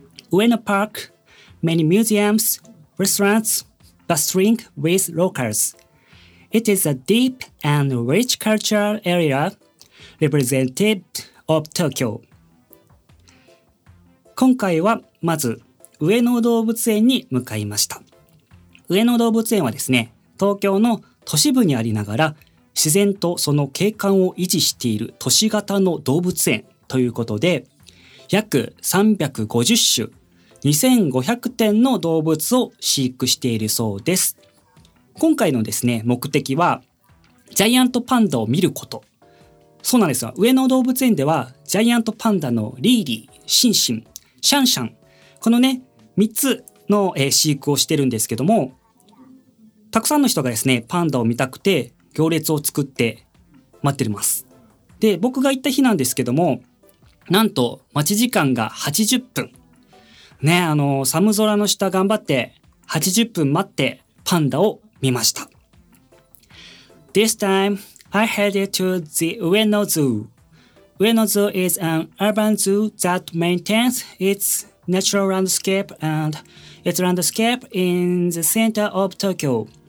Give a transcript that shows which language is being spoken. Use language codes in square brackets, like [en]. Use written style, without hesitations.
[en] Ueno Park, many museums, restaurants, bustling with locals. It is a deep and rich cultural area, represented of Tokyo。 [ja] 今回はまず上野動物園に向かいました。上野動物園はですね、東京の都市部にありながら自然とその景観を維持している都市型の動物園ということで、約350種、2500点の動物を飼育しているそうです。今回のですね、目的はジャイアントパンダを見ること。そうなんですよ。上野動物園ではジャイアントパンダのリーリー、シンシン、シャンシャン、このね、3つの飼育をしてるんですけども、たくさんの人がですね、パンダを見たくて行列を作って待ってます。で、僕が行った日なんですけども、なんと待ち時間が80分。ね、寒空の下頑張って80分待ってパンダを見ました。 [en] This time, I headed to the Ueno Zoo. Ueno Zoo is an urban zoo that maintains its natural landscape and its landscape in the center of Tokyo.